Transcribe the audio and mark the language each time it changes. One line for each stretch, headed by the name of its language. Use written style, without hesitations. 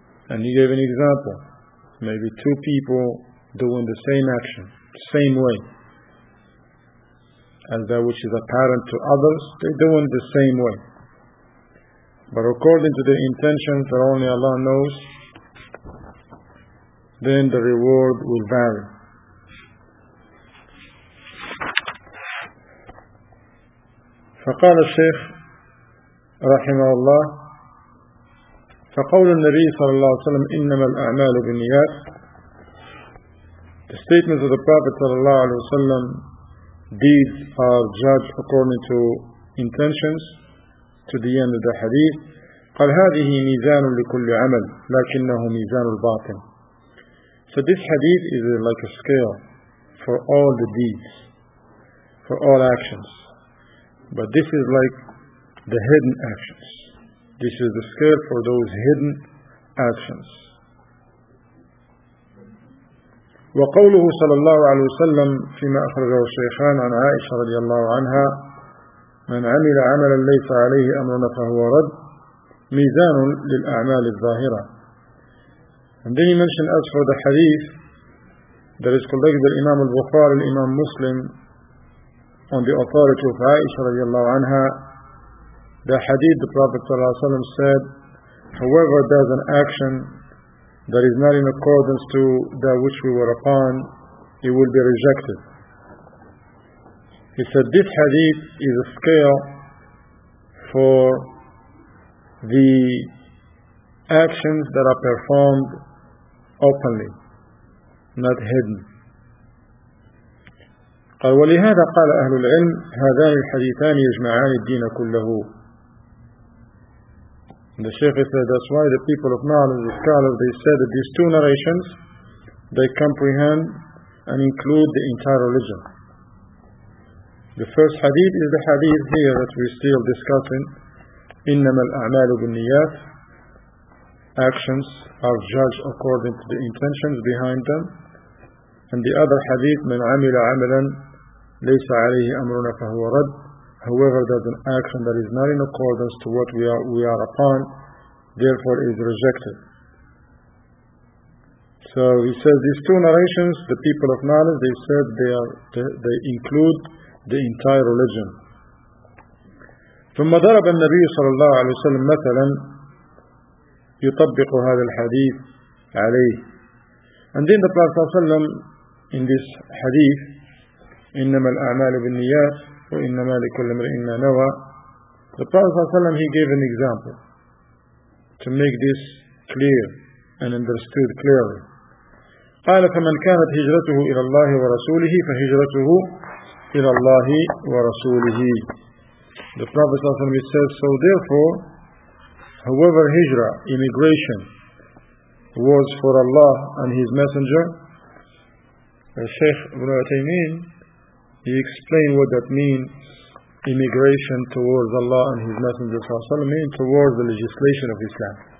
English: And he gave an example. Maybe two people doing the same action, same way, as that which is apparent to others, they're doing the same way. But according to the intentions that only Allah knows, then the reward will vary.
Arabic: فقال الشيخ رحمه الله فقول النبي صلى الله عليه وسلم إنما الأعمال بالنيات.
English: The statements of the Prophet صلى الله عليه وسلم, deeds are judged according to intentions, to the end of the hadith.
Arabic: قال هذه ميزان لكل عمل لكنه ميزان الباطن.
English: So this hadith is like a scale for all the deeds, for all actions. But this is like the hidden actions. This is the scale for those hidden actions.
Arabic: وقوله صلى الله عليه وسلم فيما أخرجه الشيخان عن عائشة رضي الله عنها من عمل عملا ليس عليه أمرنا فهو رد ميزان للأعمال الظاهرة.
English: And then he mentioned as for the hadith that is collected by Imam al-Bukhari, Imam Muslim, on the authority of Aisha radiallahu anha, the hadith the Prophet ﷺ said, whoever does an action that is not in accordance to that which we were upon, it will be rejected. He said this hadith is a scale for the actions that are performed openly, not hidden.
Arabic: قال ولهذا قال أهل العلم هذان الحديثان يجمعان الدين كله.
English: And the Shaykh said that's why the people of knowledge, the scholars, they said that these two narrations, they comprehend and include the entire religion. The first hadith is the hadith here that we're still discussing.
Arabic: إنما الأعمال بالنيات.
English: Actions are judged according to the intentions behind them. And the other hadith,
Arabic: من عمل عملا ليس عليه أمرنا فهو رد.
English: Whoever does an action that is not in accordance to what we are upon, therefore is rejected. So he says these two narrations, the people of knowledge, they said they include the entire religion.
Arabic: ثم ضرب النبي صلى الله عليه وسلم مثلا يطبق هذا الحديث عليه.
English: And then the Prophet
Arabic: صلى الله عليه وسلم
English: in this hadith,
Arabic: إنما الأعمال بالنيات وإنما لكل امرئ ما نوى.
English: The Prophet صلى الله عليه وسلم, he gave an example to make this clear and understood clearly.
Arabic: قال فمن كانت هجرته إلى الله ورسوله فهجرته إلى الله ورسوله.
English: The Prophet صلى الله عليه وسلم says, so therefore, whoever hijra, immigration, was for Allah and His Messenger, Shaykh Ibn Uthaymeen, he explained what that means, immigration towards Allah and His Messenger, means towards the legislation of Islam.